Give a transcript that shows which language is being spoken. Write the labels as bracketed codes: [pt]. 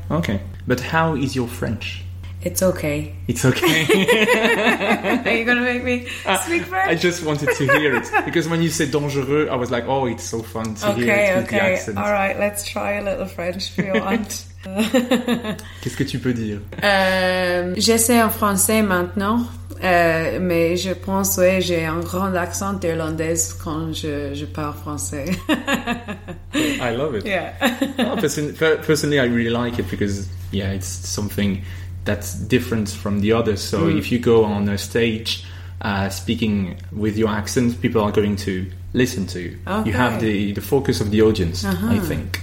[en] Okay. But how is your French? It's okay. It's okay. Are you going to make me speak French? I just wanted to hear it. Because when you said dangereux, I was like, oh, it's so fun to okay, hear it with okay. the accent. All right, let's try a little French if you want. [fr] Qu'est-ce que tu peux dire? J'essaie en français maintenant, mais je pense, oui, j'ai un grand accent irlandaise quand je parle français. [en] I love it. Yeah. Oh, personally, I really like it because, yeah, it's something that's different from the others. So if you go on a stage speaking with your accent, people are going to listen to you. Okay. You have the focus of the audience, I think.